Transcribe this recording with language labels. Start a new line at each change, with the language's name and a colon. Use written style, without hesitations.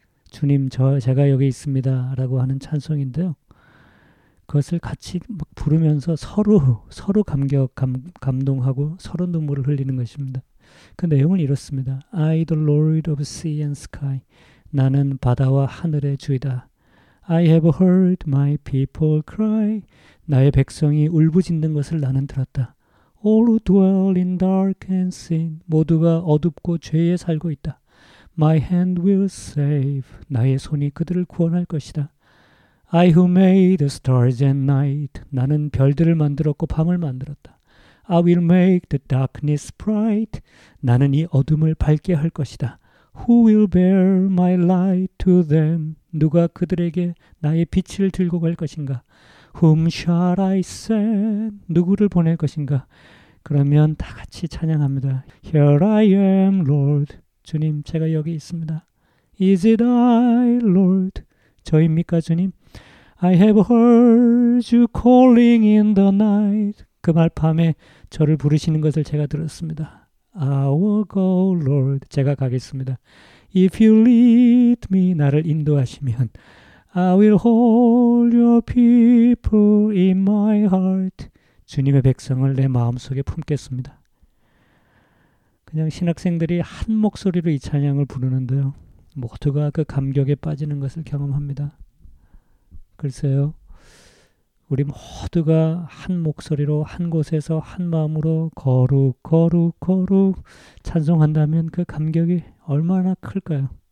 Korean: 주님, 제가 여기 있습니다. 라고 하는 찬송인데요. 그것을 같이 막 부르면서 서로 감동하고 서로 눈물을 흘리는 것입니다. 그 내용은 이렇습니다.
English: I, the Lord of sea and sky.
Korean: 나는 바다와 하늘의 주이다.
English: I have heard my people cry.
Korean: 나의 백성이 울부짖는 것을 나는 들었다.
English: All who dwell in dark and sin.
Korean: 모두가 어둡고 죄에 살고 있다.
English: My hand will save.
Korean: 나의 손이 그들을 구원할 것이다.
English: I who made the stars and night.
Korean: 나는 별들을 만들었고 밤을 만들었다.
English: I will make the darkness bright.
Korean: 나는 이 어둠을 밝게 할 것이다.
English: Who will bear my light to them?
Korean: 누가 그들에게 나의 빛을 들고 갈 것인가?
English: Whom shall I send?
Korean: 누구를 보낼 것인가? 그러면 다 같이 찬양합니다.
English: Here I am, Lord.
Korean: 주님, 제가 여기 있습니다.
English: Is it I, Lord?
Korean: 저입니까, 주님?
English: I have heard you calling in the night.
Korean: 그 말 밤에 저를 부르시는 것을 제가 들었습니다.
English: I will go, Lord.
Korean: 제가 가겠습니다.
English: If you lead me,
Korean: 나를 인도하시면
English: I will hold your people in my heart.
Korean: 주님의 백성을 내 마음속에 품겠습니다. 그냥 신학생들이 한 목소리로 이 찬양을 부르는데요. 모두가 그 감격에 빠지는 것을 경험합니다. 글쎄요. 우리 모두가 한 목소리로 한 곳에서 한 마음으로 거룩 거룩 거룩 찬송한다면 그 감격이 얼마나 클까요?